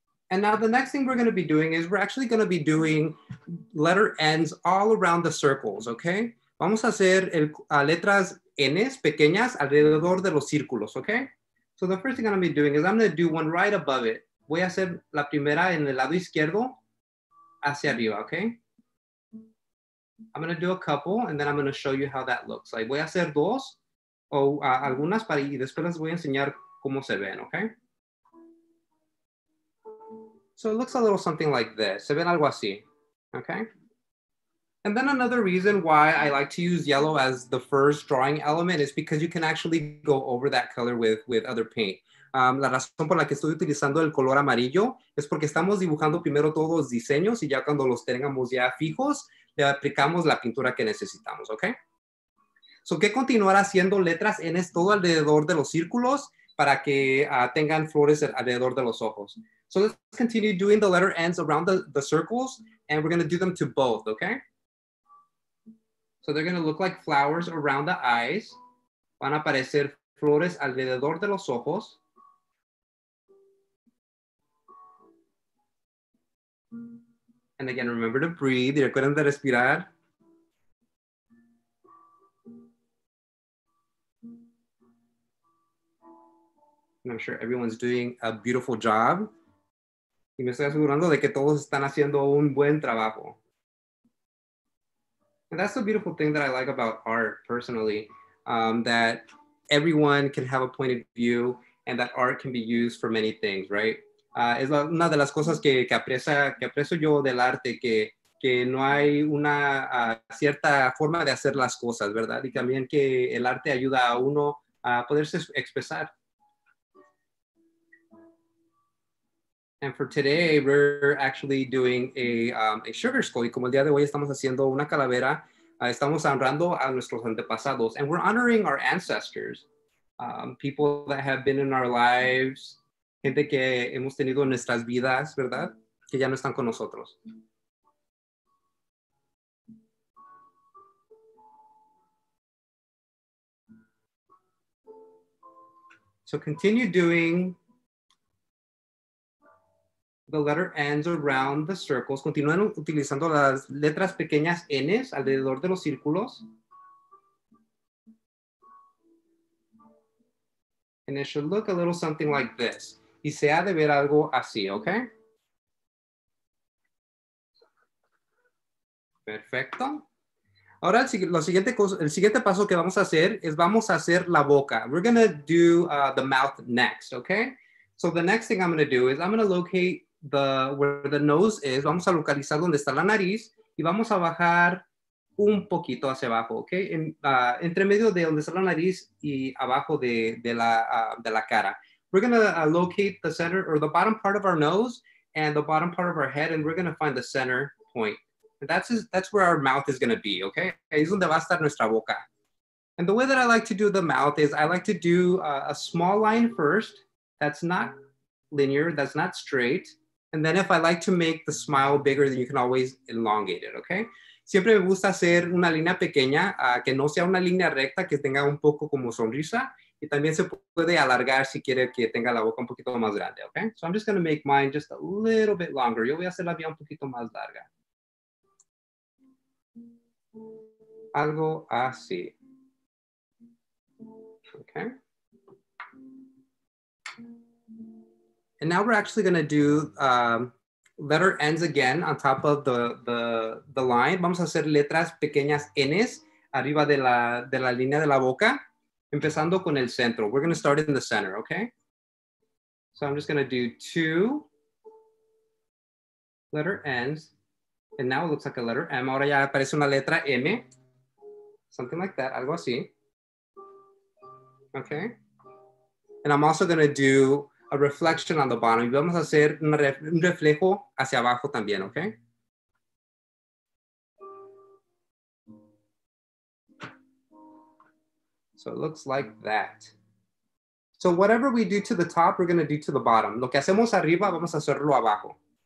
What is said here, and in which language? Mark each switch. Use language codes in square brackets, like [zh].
[en] And now the next thing we're going to be doing is we're actually going to be doing letter N's all around the circles, okay? [es] Vamos a hacer letras N's pequeñas alrededor de los círculos, okay? [en] So the first thing I'm going to be doing is I'm going to do one right above it. [es] Voy a hacer la primera en el lado izquierdo hacia arriba, okay? [en] I'm going to do a couple and then I'm going to show you how that looks. [es] Like, voy a hacer dos o algunas para y después les voy a enseñar cómo se ven, okay? [en] So it looks a little something like this. [es] Se ven algo así, [en] okay? And then another reason why I like to use yellow as the first drawing element is because you can actually go over that color with other paint. [es] La razón por la que estoy utilizando el color amarillo es porque estamos dibujando primero todos los diseños y ya cuando los tengamos ya fijos, le aplicamos la pintura que necesitamos, okay? So que continuar haciendo letras N todo alrededor de los círculos para que tengan flores alrededor de los ojos. [en] So let's continue doing the letter N's around the circles and we're gonna do them to both, okay? So they're gonna look like flowers around the eyes. [es] Van a aparecer flores alrededor de los ojos. [en] And again, remember to breathe. [es] Recuerden de respirar. [en] And I'm sure everyone's doing a beautiful job. [es] Y me estoy asegurando de que todos están haciendo un buen trabajo. [en] And that's the beautiful thing that I like about art, personally, that everyone can have a point of view and that art can be used for many things, right? [es] Es una de las cosas que aprecio yo del arte, que no hay una cierta forma de hacer las cosas, ¿verdad? Y también que el arte ayuda a uno a poderse expresar. [en] And for today, we're actually doing a sugar skull. [es] Y como el día de hoy estamos haciendo una calavera, estamos honrando a nuestros antepasados. [en] And we're honoring our ancestors, people that have been in our lives, [es] gente que hemos tenido en nuestras vidas, ¿verdad? Que ya no están con nosotros. [en] So continue doing the letter N's around the circles. [es] Continúan utilizando las letras pequeñas N's alrededor de los círculos. [en] And it should look a little something like this. [es] Y se ha de ver algo así, okay? Perfecto. Ahora, el siguiente paso que vamos a hacer es vamos a hacer la boca. [en] We're gonna do the mouth next, okay? So the next thing I'm gonna do is I'm gonna locate the where the nose is, [es] vamos a localizar donde está la nariz y vamos a bajar un poquito hacia abajo, ok? Entre medio de donde está la nariz y abajo de la cara. [en] We're gonna locate the center or the bottom part of our nose and the bottom part of our head and we're gonna find the center point. That's where our mouth is gonna be, ok? [es] Ahí es donde va a estar nuestra boca. [en] And the way that I like to do the mouth is I like to do a small line first that's not linear, that's not straight. And then if I like to make the smile bigger, then you can always elongate it, okay? [es] Siempre me gusta hacer una línea pequeña, que no sea una línea recta, que tenga un poco como sonrisa. Y también se puede alargar si quiere que tenga la boca un poquito más grande, okay? [en] So I'm just gonna make mine just a little bit longer. [es] Yo voy a hacer la mía un poquito más larga. Algo así. [en] Okay. And now we're actually gonna do letter N's again on top of the line. [es] Vamos a hacer letras pequeñas N's arriba de la línea de la boca, empezando con el centro. [en] We're gonna start in the center, okay? So I'm just gonna do two letter N's, and now it looks like a letter M. [es] Ahora ya aparece una letra M, [en] something like that, [es] algo así. [en] Okay? And I'm also gonna do a reflection on the bottom. [es] Y vamos a hacer un reflejo hacia abajo también, ¿ok? [en] So it looks like that. So whatever we do to the top, we're going to do to the bottom. [es] Lo que hacemos arriba, vamos a hacerlo abajo.